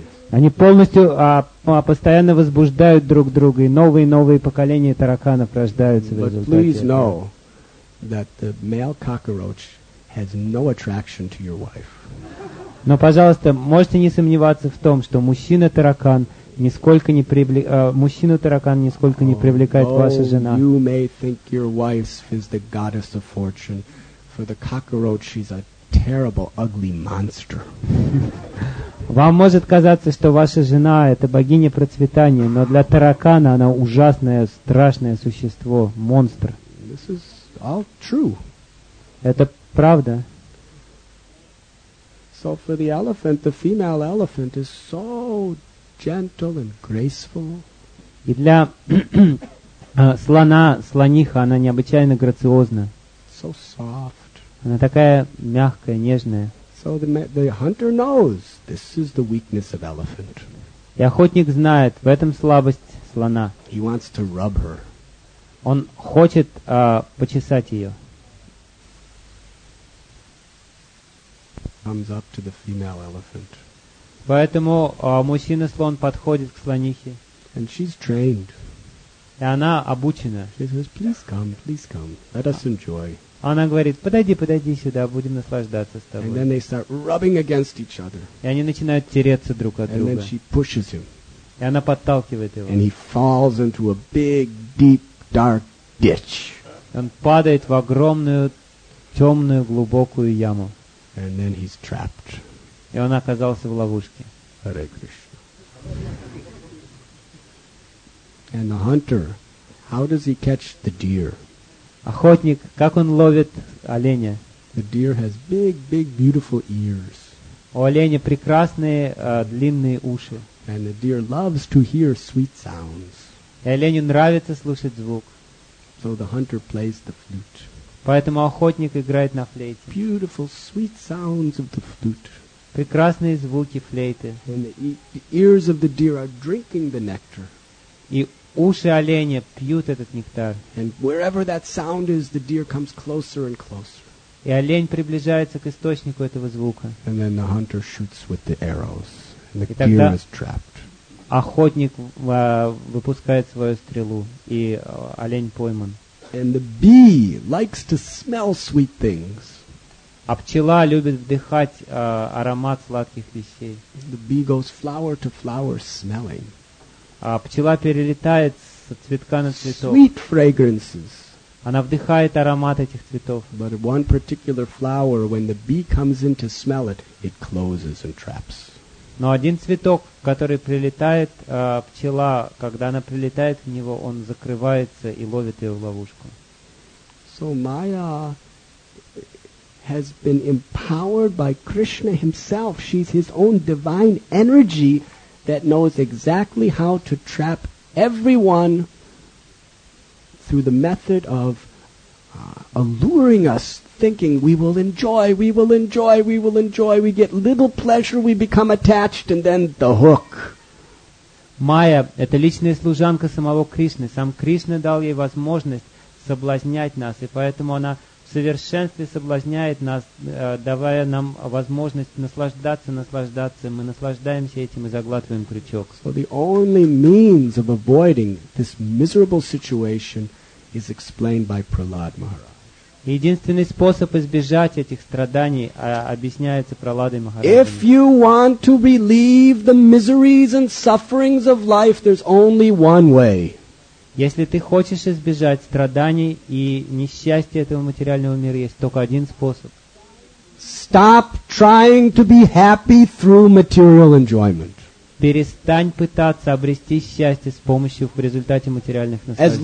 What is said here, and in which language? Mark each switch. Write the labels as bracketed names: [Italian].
[Russian] Они полностью постоянно возбуждают друг друга, и новые и новые поколения тараканов рождаются в результате. [English] But please know that the male cockroach has no attraction to your wife. [Russian] Но, пожалуйста, можете не сомневаться в том, что мужчина-таракан нисколько не мужчина-таракан нисколько не привлекает ваша жена. [English] You may think your wife is the goddess of fortune. For the cockroach, she's a terrible, ugly monster. [Russian] Вам может казаться, что ваша жена – это богиня процветания, но для таракана она ужасное, страшное существо, монстр. [English] This is all true. [Russian] Это правда. [English] So for the elephant, the female elephant is so gentle and graceful. [Russian] И для слона, слониха, она необычайно грациозна. [English] So soft. [Russian] Она такая мягкая, нежная. [English] So the hunter knows this is the weakness of elephant. [Russian] И охотник знает, в этом слабость слона. [English] He wants to rub her. [Russian] Он хочет почесать ее. [English] Comes up to the female elephant. [Russian] Поэтому мужчина-слон подходит к слонихе. [English] And she's trained. [Russian] И она обучена. [English] She says, please come, let us enjoy. [Russian] Она говорит, подойди, подойди сюда, будем наслаждаться с тобой. [English] And then they start rubbing against each other. [Russian] И они начинают тереться друг от [English] And [Russian] друга. [English] Then she pushes him. [Russian] И она подталкивает его. [English] And he falls into a big, deep, dark ditch. [Russian] Он падает в огромную, темную, глубокую яму. [English] And then he's trapped. [Russian] И он оказался в ловушке. [English] Hare Krishna. And the hunter, how does he catch the deer? [Russian] Охотник, как он ловит оленя? [English] The deer has big, big, beautiful ears. [Russian] У оленя прекрасные длинные уши. [English] And the deer loves to hear sweet sounds. [Russian] И оленю нравится слушать звук. [English] So the hunter plays the flute. [Russian] Поэтому охотник играет на флейте. [English] Beautiful, sweet sounds of the flute. [Russian] Прекрасные звуки флейты. [English] And the ears of the deer are drinking the nectar. [Russian] И уши оленя пьют этот нектар. [English] And wherever that sound is, the deer comes closer and closer. [Russian] И олень приближается к источнику этого звука. [English] And then the hunter shoots with the arrows, and the deer is trapped. [Russian] Охотник выпускает свою стрелу, и олень пойман. [English] And the bee likes to smell sweet things. [Russian] А пчела любит вдыхать аромат сладких вещей. [English] The bee goes flower to flower smelling. [Russian] А пчела перелетает с цветка на цветок. [English] Sweet fragrances. [Russian] Она вдыхает аромат этих цветов. [English] But one particular flower, when the bee comes in to smell it, it closes and traps. [Russian] Но один цветок, который прилетает, пчела, когда она прилетает в него, он закрывается и ловит ее в ловушку. [English] So Maya has been empowered by Krishna himself. She's his own divine energy that knows exactly how to trap everyone through the method of alluring us, thinking we will enjoy, we will enjoy, we will enjoy, we get little pleasure, we become attached, and then the hook. [Russian] Maya, это личная служанка самого Кришны. Сам Кришна дал ей возможность соблазнять нас, и поэтому она в совершенстве соблазняет нас, давая нам возможность наслаждаться, наслаждаться. Мы наслаждаемся этим и заглатываем крючок. [English] So the only means of avoiding this miserable situation is explained by Prahlad Maharaj. [Russian] Единственный способ избежать этих страданий объясняется Прахладой Махараджи. [English] If you want to relieve the miseries and sufferings of life, there's only one way. [Russian] Если ты хочешь избежать страданий и несчастья этого материального мира, есть только один способ. [English] Stop trying to be happy through material enjoyment. [Russian] Перестань пытаться обрести счастье с помощью в результате материальных наслаждений.